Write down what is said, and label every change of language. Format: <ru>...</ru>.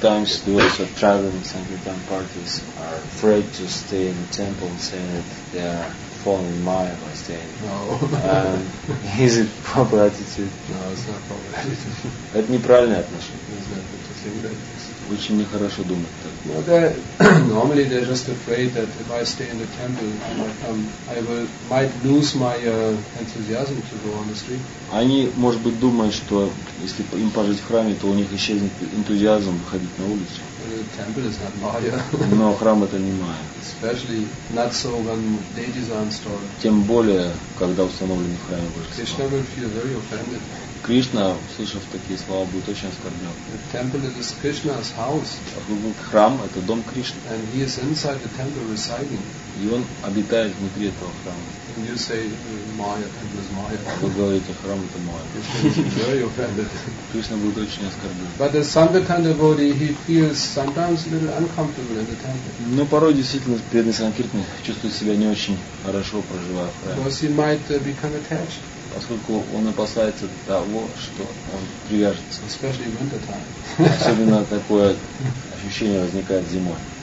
<en>Sometimes those who are traveling Sankirtan parties are afraid to stay in the temple and say that they are fall in Maya by staying. No. Is it proper attitude? No, it's not proper attitude.</en> <ru>Это неправильное отношение.</ru> <en>It's not good to think that.</en> <ru>Очень нехорошо думать так.</ru> <en>No, they're, normally they're just afraid that if I stay in the temple, I might lose my enthusiasm to go on the street.</en> <ru>Они, может быть, думают, что если им пожить в храме, то у них исчезнет энтузиазм выходить на улицу. Но храм это не Майя.</ru> <en>Especially not so when deities are installed.</en> <ru>Тем более, когда установлены в храме божества.</ru> <en>Кришна will feel very offended.</en> <ru>Кришна, услышав такие слова, будет очень оскорблен.</ru> <en>The temple is Krishna's house.</en> <ru>Храм – это дом Кришны.</ru> <en>And he is inside the temple residing.</en> <ru>И он обитает внутри этого храма.</ru> <en>And you say, Maya, temple is Maya.</en> <ru>Вы говорите, храм – это Майя.</ru> <en>Very offended.</en> <ru>Кришна будет очень оскорблен.</ru> <en>But the Sankirtan devotee, he feels sometimes a little uncomfortable in the temple.</en> <ru>Но порой действительно преданный санкиртан чувствует себя не очень хорошо, проживая в храме.</ru> <en>Because he might become attached.</en> <ru>Поскольку он опасается того, что он привяжется.</ru> <en>Especially in winter time.</en> <ru>Особенно такое ощущение возникает зимой.</ru>